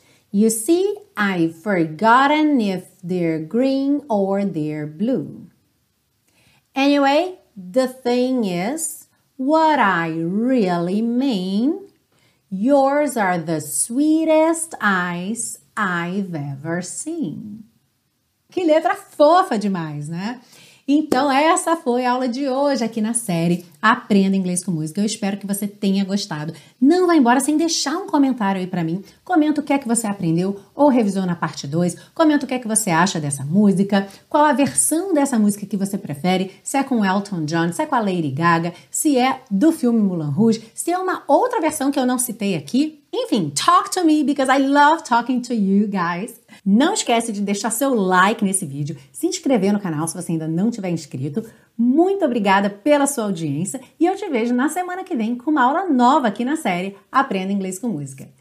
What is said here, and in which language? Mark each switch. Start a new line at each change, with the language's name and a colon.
English: You see, I've forgotten if they're green or they're blue. Anyway, the thing is, what I really mean, yours are the sweetest eyes I've ever seen.
Portuguese: Que letra fofa demais, né? Então, essa foi a aula de hoje aqui na série Aprenda Inglês com Música. Eu espero que você tenha gostado. Não vá embora sem deixar um comentário aí pra mim. Comenta o que é que você aprendeu ou revisou na parte 2. Comenta o que é que você acha dessa música. Qual a versão dessa música que você prefere? Se é com Elton John, se é com a Lady Gaga, se é do filme Moulin Rouge, se é uma outra versão que eu não citei aqui.
English: Enfim, talk to me because I love talking to you guys.
Portuguese: Não esquece de deixar seu like nesse vídeo, se inscrever no canal se você ainda não tiver inscrito. Muito obrigada pela sua audiência e eu te vejo na semana que vem com uma aula nova aqui na série Aprenda Inglês com Música.